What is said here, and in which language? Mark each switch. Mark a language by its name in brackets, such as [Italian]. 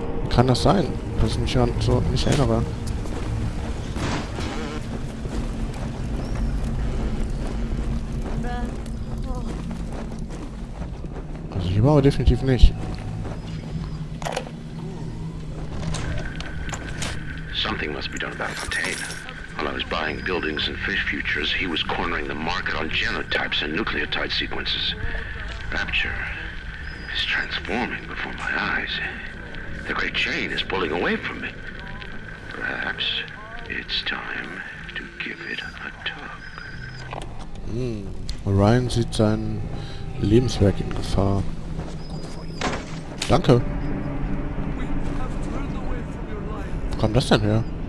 [German] Kann das sein, dass ich mich an so nicht erinnere? Die brauchen wir definitiv nicht. [English] Something must be done about Fontaine. While I was buying buildings and fish futures, he was cornering the market on genotypes and nucleotide sequences. Rapture is transforming before my eyes. The great chain is pulling away from me. Perhaps it's time to give it a tug. [German] Orion sieht sein Lebenswerk in Gefahr. Danke. Wo kommt das denn her?